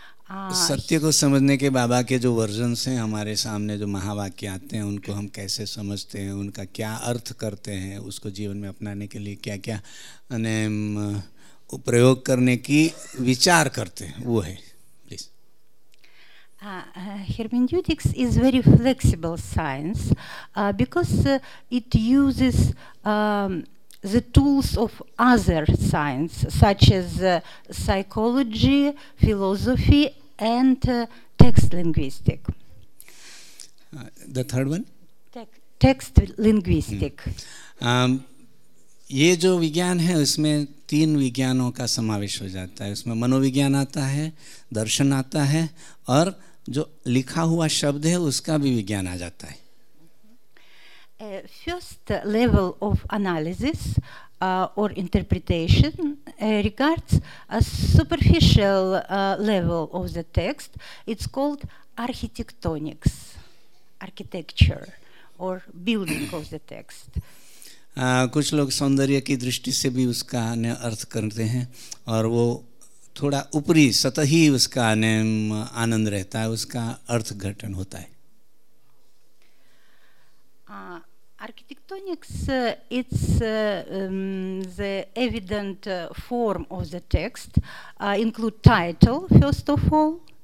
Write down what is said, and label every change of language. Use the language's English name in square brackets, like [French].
[Hindi] सत्य को समझने के बाबा के जो वर्जन्स हैं हमारे सामने जो महावाक्य आते हैं उनको हम कैसे समझते हैं उनका क्या अर्थ करते हैं उसको जीवन में अपनाने के लिए क्या क्या अने उपयोग करने की विचार करते हैं वो है please [English] Hermeneutics is very flexible science because it uses the tools of other science such as psychology, philosophy and text linguistic. The third one? Text linguistic. [Hindi] ये जो विज्ञान है उसमें तीन विज्ञानों का समावेश हो जाता है उसमें मनोविज्ञान आता है दर्शन आता है और जो लिखा हुआ शब्द है उसका भी विज्ञान आ जाता है [English] First level of analysis or interpretation regards a superficial level of the text. It's called architectonics, architecture or building of the text. [Hindi] कुछ लोग सौंदर्य की दृष्टि से भी उसका ने अर्थ करते हैं और वो थोड़ा ऊपरी सतही उसका ने आनंद रहता है उसका अर्थ घटन होता है [English] Architectonics, it's the evident form of the text, include title, first of all.